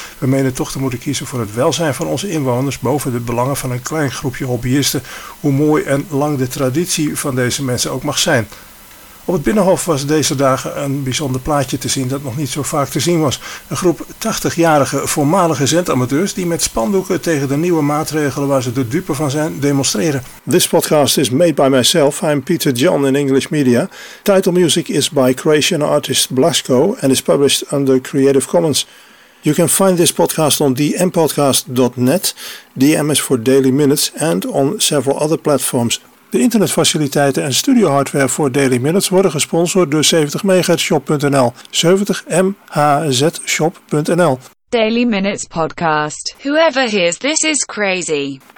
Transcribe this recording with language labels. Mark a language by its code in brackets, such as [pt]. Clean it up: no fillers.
[nl] We menen toch te moeten kiezen voor het welzijn van onze inwoners boven de belangen van een klein groepje hobbyisten, hoe mooi en lang de traditie van deze mensen ook mag zijn. Op het Binnenhof was deze dagen een bijzonder plaatje te zien dat nog niet zo vaak te zien was. Een groep 80-jarige voormalige zendamateurs die met spandoeken tegen de nieuwe maatregelen waar ze de dupe van zijn demonstreren. [en] This podcast is made by myself. I'm Peter John in English Media. Title music is by Croatian artist Blasco and is published under Creative Commons. You can find this podcast on dmpodcast.net, DM is for Daily Minutes, and on several other platforms. [nl] De internetfaciliteiten en studiohardware voor Daily Minutes worden gesponsord door 70MHzShop.nl. 70MHzShop.nl. [en] Daily Minutes Podcast. Whoever hears this is crazy.